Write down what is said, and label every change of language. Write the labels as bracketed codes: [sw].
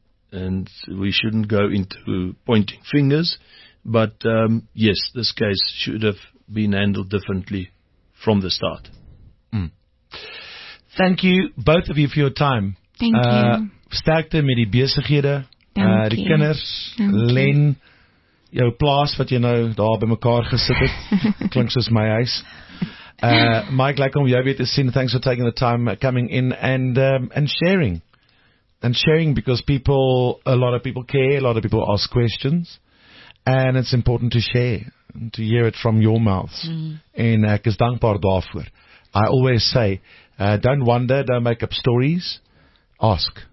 [en] And we shouldn't go into pointing fingers, but yes, this case should have been handled differently from the start. Mm. Thank you, both of you, for your time. Thank you. [af] Sterkte met die besighede, die kinders, Len, jou plaas wat jy nou daar by mekaar gesit het, klink soos my huis. [en] Mike, like on your way to see, thanks for taking the time coming in and sharing because a lot of people care, a lot of people ask questions, and it's important to share and to hear it from your mouths. And [af] ek is dankbaar daarvoor. [en] I always say, don't wonder, don't make up stories, ask.